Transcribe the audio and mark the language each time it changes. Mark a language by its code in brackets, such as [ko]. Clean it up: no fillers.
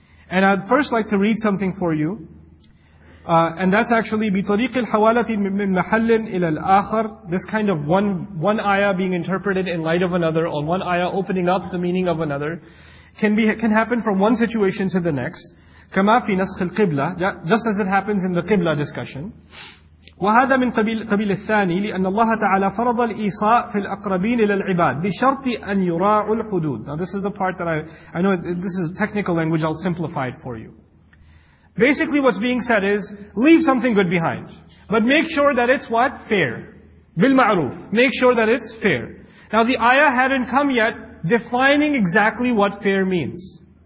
[en] And I'd first like to read something for you. And that's actually, [ar] بِطَرِيقِ الْحَوَالَةِ مِنْ مَحَلٍ إِلَى الْآخَرِ [en] This kind of one ayah being interpreted in light of another, or one ayah opening up the meaning of another, can happen from one situation to the next. [ar] كَمَا فِي نَسْخِ الْقِبْلَةِ [en] Just as it happens in the Qibla discussion. [ar] وهذا من قبيل الثاني لأن الله تعالى فرض الإيصاء في الأقربين إلى العباد بشرط أن يراعوا الحدود. [en] Now this is the part that I know this is technical language, I'll simplify it for you. Basically what's being said is, leave something good behind. But make sure that it's what? Fair. بالمعروف. Make sure that it's fair. Now the ayah hadn't come yet defining exactly what fair means.